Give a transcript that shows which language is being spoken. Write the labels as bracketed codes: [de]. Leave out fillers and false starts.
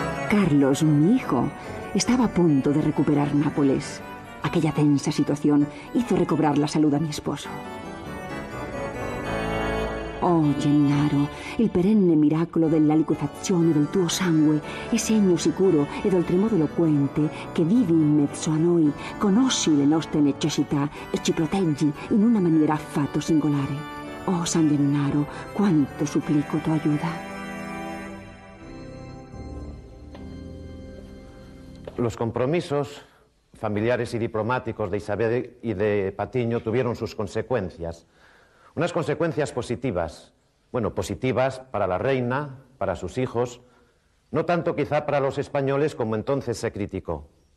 [es] Carlos, mi hijo, estaba a punto de recuperar Nápoles. Aquella tensa situación hizo recobrar la salud a mi esposo. [it] Oh, Gennaro, el perenne miracolo della liquefazione del tuo sangue, e segno sicuro ed oltremodo eloquente che vivi in mezzo a noi, conosci le nostre necessità e ci proteggi in una maniera affatto singolare. Oh, San Gennaro, quanto supplico tua aiuta. [es] Los compromisos familiares y diplomáticos de Isabel y de Patiño tuvieron sus consecuencias. Unas consecuencias positivas. Bueno, positivas para la reina, para sus hijos, no tanto quizá para los españoles como entonces se criticó.